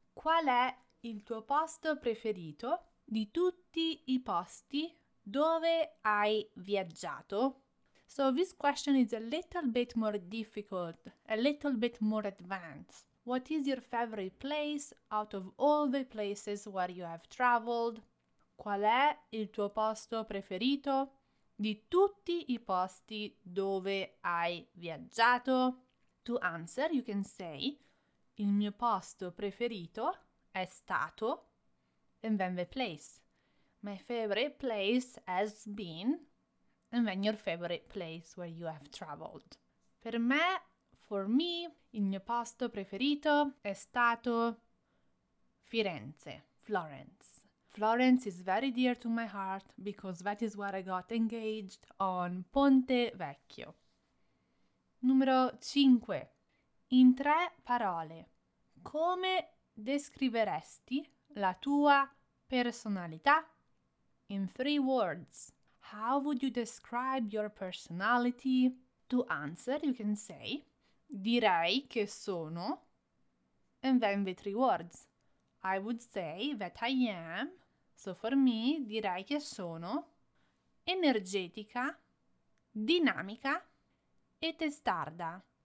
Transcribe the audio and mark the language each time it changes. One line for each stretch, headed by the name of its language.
Italian: Qual è il tuo posto preferito di tutti i posti Dove hai viaggiato?
English: So this question is a little bit more difficult, a little bit more advanced. What is your favorite place out of all the places where you have traveled?
Italian: Qual è il tuo posto preferito di tutti i posti dove hai viaggiato?
English: To answer, you can say,
Italian: il mio posto preferito è stato,
English: and then the place. My favorite place has been, and then your favorite place where you have traveled.
Italian: Per me,
English: for me,
Italian: il mio posto preferito è stato Firenze, Florence.
English: Florence is very dear to my heart because that is where I got engaged on Ponte Vecchio.
Italian: Numero 5. In tre parole, come descriveresti la tua personalità?
English: In three words, how would you describe your personality? To answer, you can say,
Italian: direi che sono,
English: and then the three words. I would say that I am, so for me,
Italian: direi che sono, energetica, dinamica, e testarda.